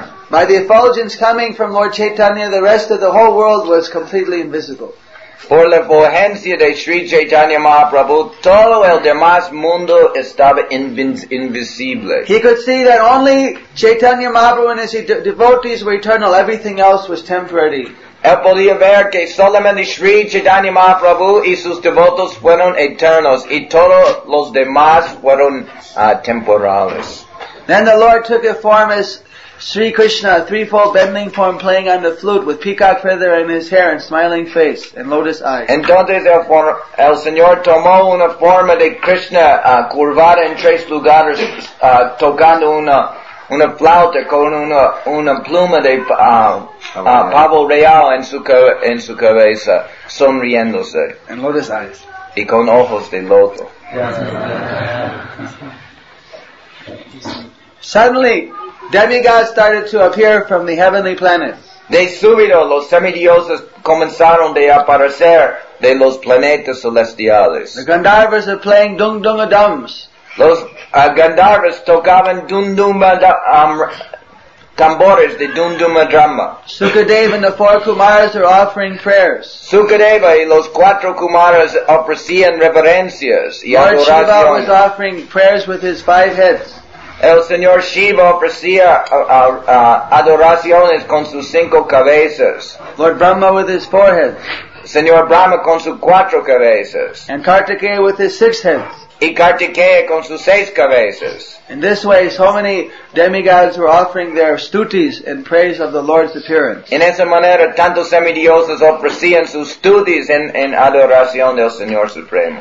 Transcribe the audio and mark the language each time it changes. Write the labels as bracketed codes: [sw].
[en] By the effulgence coming from Lord Chaitanya, the rest of the whole world was completely invisible. [es] Por la efulgencia de Sri Chaitanya Mahaprabhu, todo el demás mundo estaba invisible. [en] He could see that only Chaitanya Mahaprabhu and his devotees were eternal. Everything else was temporary. [es] Él podía ver que solamente Sri Chaitanya Mahaprabhu y sus devotos fueron eternos, y todos los demás fueron temporales. [en] Then the Lord took a form as Sri Krishna, threefold bending form playing on the flute with peacock feather in his hair and smiling face and lotus eyes. [es] Entonces el Señor tomó una forma de Krishna curvada en tres lugares tocando una flauta con una pluma de pavo real en su cabeza, sonriéndose. [en] And lotus eyes. [es] Y con ojos de loto. [en] Suddenly, demigods started to appear from the heavenly planets. [es] De súbito, los semidioses comenzaron de aparecer de los planetas celestiales. [en] The Gandharvas are playing dung dung a dums. [es] Los Gandharvas tocaban dung dung a tambores de dung dung a drama. [en] Sukadeva and the four Kumaras are offering prayers. [es] Sukadeva y los cuatro Kumaras ofrecían reverencias y adoración. [en] Lord Shiva was offering prayers with his five heads. [es] El Señor Shiva ofrecía adoraciones con sus cinco cabezas. [en] Lord Brahma with his forehead. [es] Señor Brahma con sus cuatro cabezas. [en] And Kartikeya with his six heads. [es] Y Kartikeya con sus seis cabezas. [en] In this way, so many demigods were offering their stutis in praise of the Lord's appearance. [es] En esa manera, tantos semidioses ofrecían sus stutis en adoración del Señor Supremo.